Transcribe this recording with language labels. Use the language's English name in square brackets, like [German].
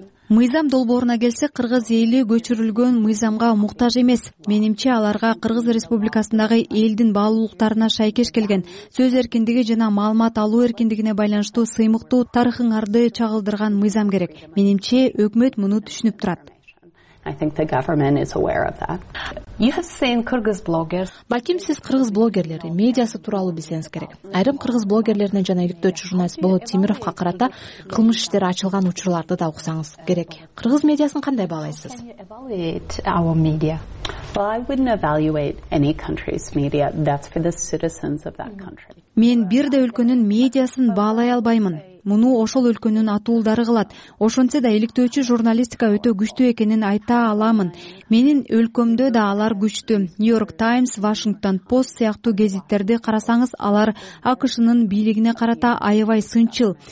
[Kyrgyz] Мыйзам долбооруна келсек, кыргыз эли көчүрүлгөн мыйзамга муктаж эмес. Менимче, аларга Кыргыз Республикасындагы элдин баалуулуктарына шайкеш келген сөз эркиндиги жана маалымат алуу эркиндигине байланыштуу сыймыктуу тарыхыңарды чагылдырган мыйзам керек. Менимче, өкмөт муну түшүнүп турат. [English] I think the government is aware of that. You have seen Kyrgyz bloggers. [Kyrgyz] Балким сиз кыргыз блогерлери медиасы тууралуу билсеңиз керек. Айрым кыргыз блогерлерине жана иликтөөчү журналист Болот Темировко карата кылмыш иштери ачылган учурларды да уксаңыз керек. Кыргыз медиасын кандай баалайсыз? [English] Well, I wouldn't evaluate any country's media. That's for the citizens of that country. [Kyrgyz] Мен бир да өлкөнүн медиасын баалай албаймын. Муну ошол өлкөнүн атуулдары кылат. Ошентсе да иликтөөчү журналистика өтө күчтүү экенин айта аламын. Менин өлкөмдө да алар күчтүү. New York Times, Washington Post сыяктуу гезиттерди карасаңыз, алар АКШнын бийлигине карата аябай сынчыл.